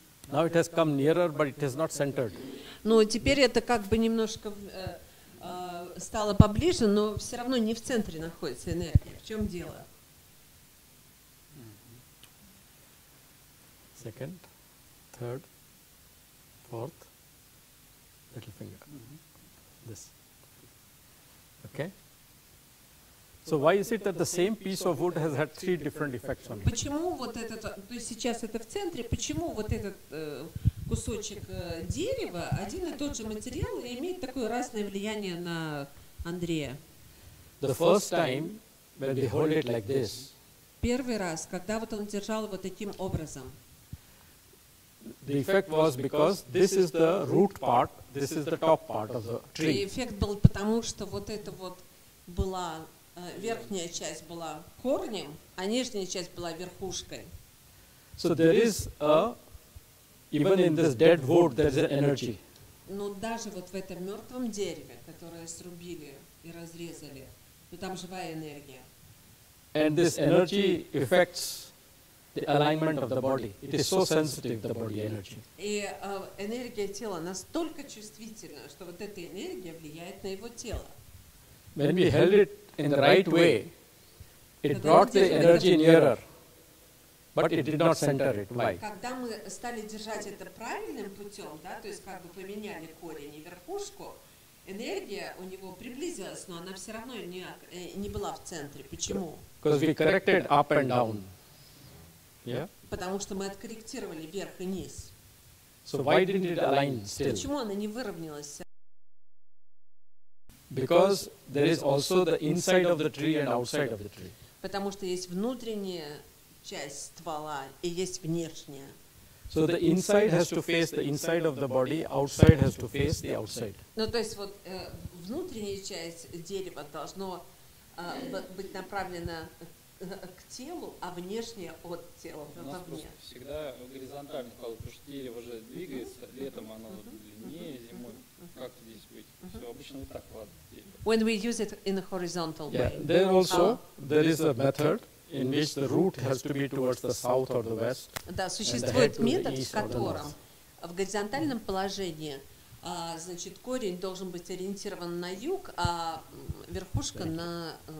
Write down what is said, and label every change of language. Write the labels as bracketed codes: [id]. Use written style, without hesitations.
[en] Now it has come nearer, but it is not centered. [ru] Ну, теперь это как бы немножко стало поближе, но все равно не в центре находится энергия. В чем дело? [en] Second, third, fourth, little finger. This. Okay? So why is it that the same piece of wood has had three different effects on it? [ru] Почему вот этот, то есть сейчас это в центре, почему вот этот кусочек дерева, один и тот же материал, имеет такое разное влияние на Андрея? [en] The first time when we hold it like this. [ru] Первый раз, когда вот он держал его таким образом. [en] The effect was because this is the root part, this is the top part of the tree. [ru] Эффект был потому, что вот это вот была верхняя часть была корнем, а нижняя часть была верхушкой. [en] So there is a, even in this dead wood, there is an energy. [ru] Но даже вот в этом мертвом дереве, которое срубили и разрезали, но там живая энергия. [en] And this energy affects the alignment of the body. It is so sensitive, the body energy. [ru] И энергия тела настолько чувствительна, что вот эта энергия влияет на его тело. [en] When we held it in the right way, it brought the energy nearer, but it did not center it. Why? [ru] Когда мы стали держать это правильным путем, да, то есть как бы поменяли корень и верхушку, энергия у него приблизилась, но она все равно не была в центре. Почему? [en] Because we corrected up and down. Yeah? [ru] Потому что мы откорректировали вверх и вниз. [en] So why didn't it align still? [ru] Почему она не выровнялась? [en] Because there is also the inside of the tree and outside of the tree. [ru] Потому что есть внутренняя часть ствола и есть внешняя. [en] So the inside has to face the inside of the body, outside has to face the outside. [ru] Ну, то есть вот внутренняя часть дерева должна быть направлена к телу, а внешняя от тела, вовне. Всегда горизонтально, потому что дерево же двигается, летом оно длиннее, зимой. как здесь быть? Все обычно вот так вот. [en] When we use it in a horizontal way. Yeah, there also there is a method in which the root has to be towards the south or the west. [ru] Да, существует метод, в котором в горизонтальном положении, значит, корень должен быть ориентирован на юг, а верхушка на.